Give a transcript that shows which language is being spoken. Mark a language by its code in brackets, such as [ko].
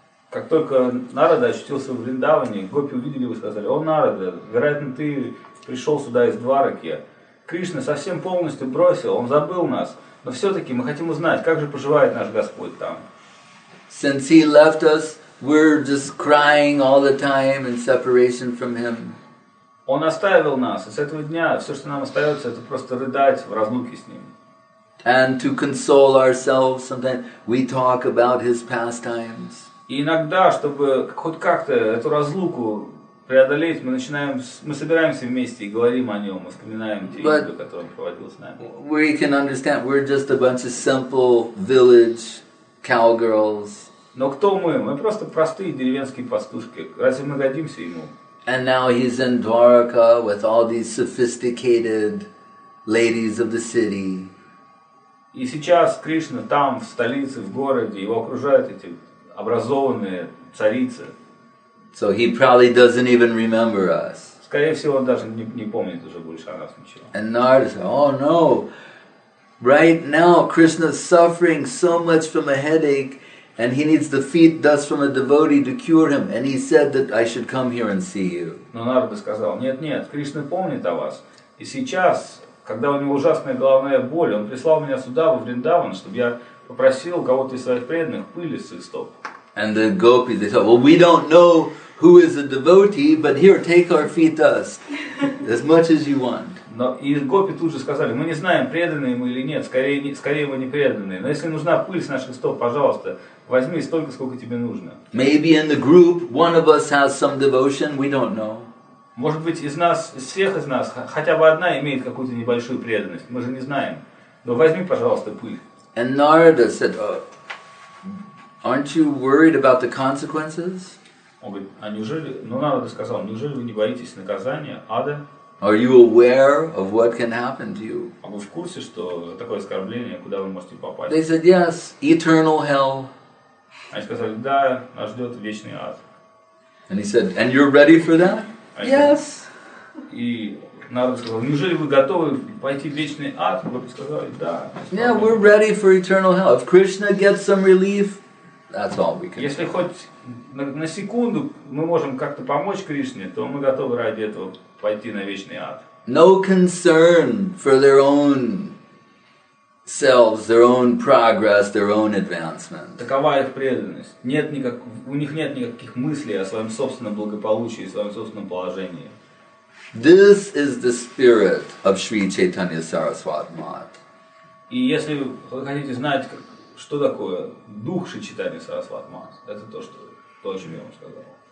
[ru] Как только Нарада очутился в Вриндаване, гопи увидели его и сказали: о, Нарада, вероятно, ты пришел сюда из Двараки. Кришна совсем полностью бросил, он забыл нас. Но все-таки мы хотим узнать, как же поживает наш Господь там. [en] Since he left us, we're just crying all the time in separation from him. [ru] Он оставил нас, и с этого дня все, что нам остается, это просто рыдать в разлуке с ним. [en] And to console ourselves, sometimes we talk about his pastimes. [ru] И иногда, чтобы хоть как-то эту разлуку преодолеть, мы собираемся вместе и говорим о нем, мы вспоминаем те годы, которые он проводил с нами. [en] We can understand, we're just a bunch of simple village cowgirls. [ru] Но кто мы? Мы просто простые деревенские пастушки. Разве мы годимся ему? [en] And now he's in Dwarka with all these sophisticated ladies of the city. [ru] И сейчас Кришна там, в столице, в городе, его окружают эти образованные царицы. [en] So he probably doesn't even remember us. [ru] Скорее всего, он даже не помнит уже больше о нас ничего. [en] And Narada said, oh no, right now Krishna's suffering so much from a headache and he needs the feet dust from a devotee to cure him. And he said that I should come here and see you. [ru] Но Нарада сказал: нет-нет, Кришна помнит о вас. И сейчас, когда у него ужасная головная боль, он прислал меня сюда, во Вриндаван, чтобы я попросил кого-то из своих преданных пыли с их стоп. [en] And the gopis, they thought, well, we don't know who is a devotee, but here, take our feet dust, as much as you want. [ru] Но и гопи тут же сказали: мы не знаем, преданные мы или нет, скорее вы не преданные. Но если нужна пыль с наших стоп, пожалуйста, возьми столько, сколько тебе нужно. [en] Maybe in the group one of us has some devotion, we don't know. [ru] Может быть, из нас, из всех из нас, хотя бы одна имеет какую-то небольшую преданность. Мы же не знаем. Но возьми, пожалуйста, пыль. [en] And Narada said, oh, aren't you worried about the consequences? [ru] Он говорит: а неужели, ну, Нарада сказал, неужели вы не боитесь наказания, ада? [en] Are you aware of what can happen to you? [ru] А вы в курсе, что такое оскорбление, куда вы можете попасть? [en] They said, yes, eternal hell. [ru] Они сказали: да, нас ждет вечный ад. [en] And he said, and you're ready for that? Yes. [ru] И Нарада сказал: неужели вы готовы пойти в вечный ад? Гопи сказали: да. [en] Yeah, we're ready for eternal hell. If Krishna gets some relief, that's all we can. [ru] Если хоть на секунду мы можем как-то помочь Кришне, то мы готовы ради этого пойти на вечный ад. [en] No concern for their own selves, their own progress, their own advancement. [ru] Такова их преданность. Нет никак, у них нет никаких мыслей о своем собственном благополучии, о своем собственном положении. [en] This is the spirit of Sri Chaitanya Saraswat Mat. [ru] И если вы хотите знать, как, что такое дух Шри Чайтаньи Сарасвати Мат, это то, о чем я вам сказал.